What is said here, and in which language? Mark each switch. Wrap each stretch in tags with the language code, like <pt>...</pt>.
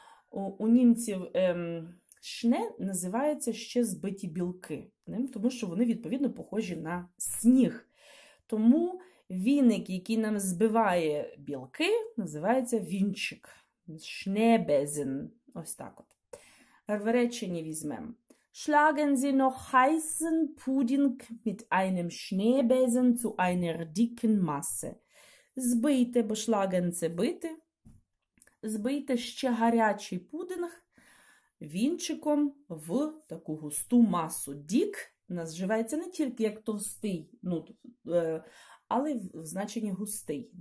<uk>У німців Schnee називається ще збиті білки. Тому що вони, відповідно, похожі на сніг. Тому віник, який нам збиває білки, називається вінчик. Schneebesen. Ось так от. В реченні візьмемо.</uk> <de>Schlagen Sie noch heißen Pudding mit einem Schneebesen zu einer dicken Masse.</de> <uk>Збийте, бо schlagen – це бити. Збийте ще гарячий пудинг вінчиком в таку густу масу. Дік називається не тільки як товстий, ну, але в значенні густий.</uk>